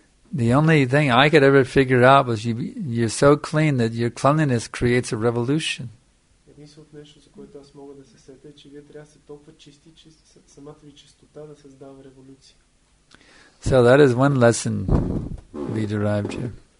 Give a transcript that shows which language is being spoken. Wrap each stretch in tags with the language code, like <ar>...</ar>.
<en>The only thing I could ever figure out was you're so clean that your cleanliness creates a revolution.</en> <bg>Мисля от нещо, за което аз мога да се сетя, че вие трябва да се толкова чисти, че самата ви чистота да създава революция.</bg> <en>So that is one lesson we derived here.</en>